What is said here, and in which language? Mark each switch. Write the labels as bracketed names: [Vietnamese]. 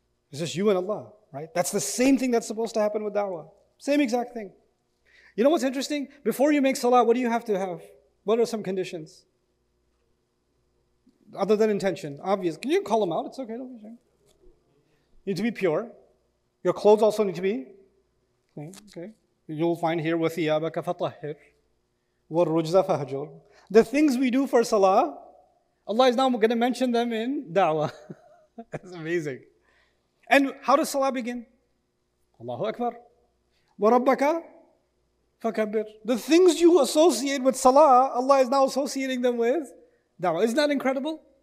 [English] It's just you and Allah, right? That's the same thing that's supposed to happen with da'wah. Same exact thing. You know what's interesting? Before you make salah, what do you have to have? What are some conditions? Other than intention, obvious. Can you call them out? It's okay, don't be ashamed. You need to be pure. Your clothes also need to be clean. Okay. You'll find here, [Arabic] وَثِيَابَكَ فَطَهِّرْ وَالرُّجْزَ فَهَجُرْ. [English] The things we do for salah, Allah is now going to mention them in da'wah. That's amazing. And how does salah begin? Allahu Akbar. [Arabic] وَرَبَّكَ فَكَبِّرْ. [English] The things you associate with salah, Allah is now associating them with da'wah. Isn't that incredible?